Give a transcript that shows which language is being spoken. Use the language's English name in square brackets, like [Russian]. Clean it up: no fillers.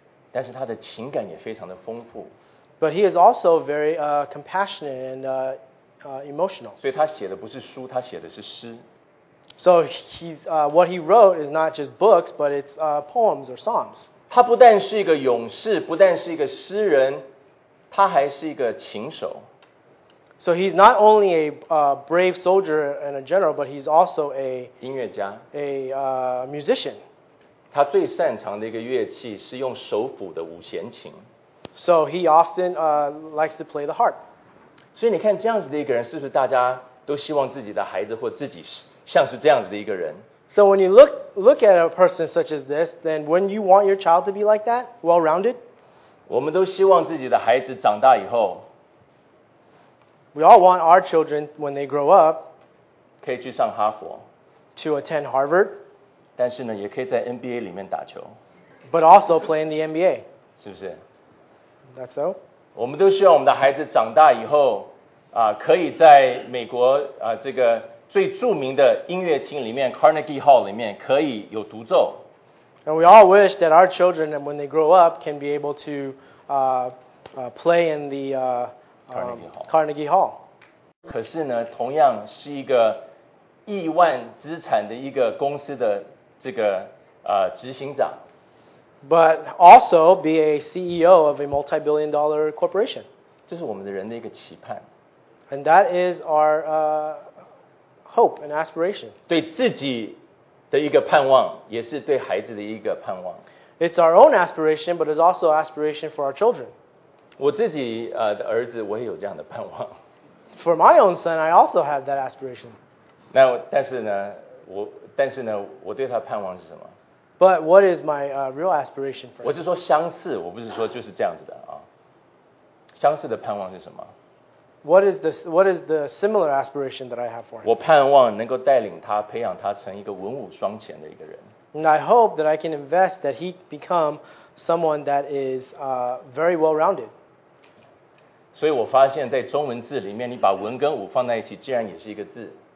[Chinese] 但是他的情感也非常的丰富。 [English] But he is also very compassionate and emotional. [Chinese] 所以他写的不是书，他写的是诗。 [English] So he's what he wrote is not just books, but it's poems or psalms. [Chinese] 他不但是一个勇士，不但是一个诗人，他还是一个琴手。 [English] So he's not only a brave soldier and a general, but he's also a [Chinese] 音乐家 [English] a musician. [Chinese] 他最擅长的一个乐器是用手抚的五弦琴。 [English] So he often likes to play the harp. [Chinese] 所以你看这样子的一个人，是不是大家都希望自己的孩子或自己是？像是这样子的一个人。 [English] So when you look at a person such as this, then wouldn't you want your child to be like that, well-rounded? [Chinese] 我们都希望自己的孩子长大以后。 [English] We all want our children when they grow up. [Chinese] 可以去上哈佛。 [English] To attend Harvard. [Chinese] 但是呢，也可以在 NBA 里面打球。 [English] But also play in the NBA. [Chinese] 是不是 [English] ？That's so. [Chinese] 我们都希望我们的孩子长大以后啊，可以在美国啊这个。最著名的音乐厅里面 ，Carnegie Hall 里面可以有独奏。 [English] And we all wish that our children, when they grow up, can be able to play in the Carnegie Hall. [Chinese] 可是呢，同样是一个亿万资产的一个公司的这个执行长。 [English] But also be a CEO of a multi-billion-dollar corporation. [Chinese] 这是我们的人的一个期盼。 [English] And that is our hope and aspiration. [Chinese] 对自己的一个盼望，也是对孩子的一个盼望。 [English] It's our own aspiration, but it's also aspiration for our children. [Chinese] 我自己的儿子，我也有这样的盼望。 [English] For my own son, I also have that aspiration. [Chinese] 那但是呢，我对他盼望是什么 [English] ？But what is my real aspiration for? [Chinese] 我是说相似，我不是说就是这样子的啊。相似的盼望是什么？ [English] What is the similar aspiration that I have for him? [Chinese] 我盼望能够带领他，培养他成一个文武双全的一个人。 [English] And I hope that I can invest that he become someone that is very well-rounded. [Chinese] 所以我发现，在中文字里面，你把文跟武放在一起，竟然也是一个字。